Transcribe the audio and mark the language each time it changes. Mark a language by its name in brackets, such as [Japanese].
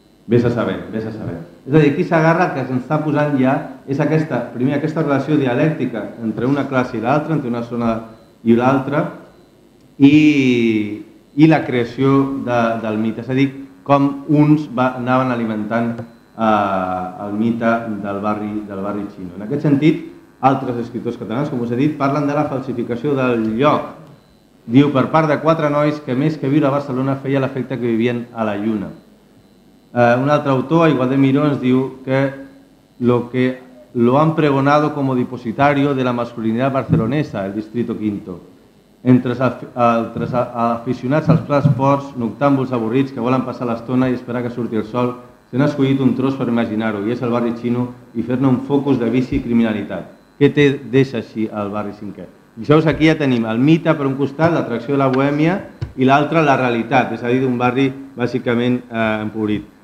[Catalan] Vés a saber, vés a saber. És a dir, aquí Sagarra que se'ns està posant ja és aquesta, primer, aquesta relació dialèctica entre una classe i l'altra, entre una zona i l'altra, i la creació del mite, és a dir, com uns anaven alimentant el mite del barri xino. En aquest sentit, altres escriptors catalans, com us he dit, parlen de la falsificació del lloc. Diu, per part de quatre nois que més que viure a Barcelona feia l'efecte que vivien a la lluna. Un altre autor, Aigua de Miró, ens diu que [Spanish] lo han pregonado como depositario de la masculinidad barcelonesa, el Distrito Quinto. [Catalan] Entre aficionats als plats forts, noctàmbuls avorrits que volen passar l'estona i esperar que surti el sol, se n'ha escollit un tros per imaginar-ho, i és el barri xino, i fer-ne un focus de vici i criminalitat. Què té d'eix així al barri cinquè? I llavors aquí ja tenim el mite per un costat, l'atracció de la bohèmia, i l'altre la realitat, és a dir, d'un barri bàsicament empobrit.